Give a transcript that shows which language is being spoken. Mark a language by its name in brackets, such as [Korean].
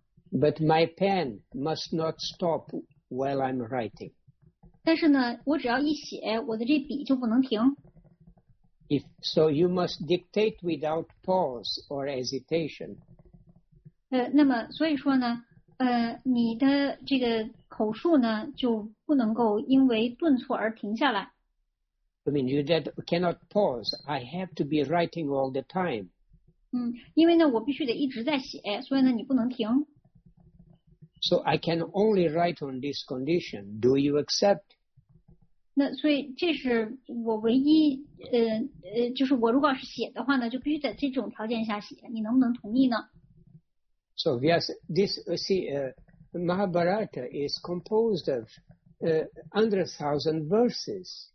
[English] But my pen must not stop while I'm writing. [Chinese] 但是呢，我只要一写，我的这笔就不能停。 [English] So you must dictate without pause or hesitation. [Chinese] 那么所以说呢，你的这个口述呢就不能够因为顿挫而停下来。 [English] I mean, you cannot pause. I have to be writing all the time. [Chinese] 因为呢我必须得一直在写，所以呢你不能停。 [English] So I can only write on this condition. Do you accept? [Chinese] 那所以这是我唯一就是我如果是写的话呢，就必须在这种条件下写。你能不能同意呢？ [English] So yes, this see, Mahabharata is composed of 100,000 verses.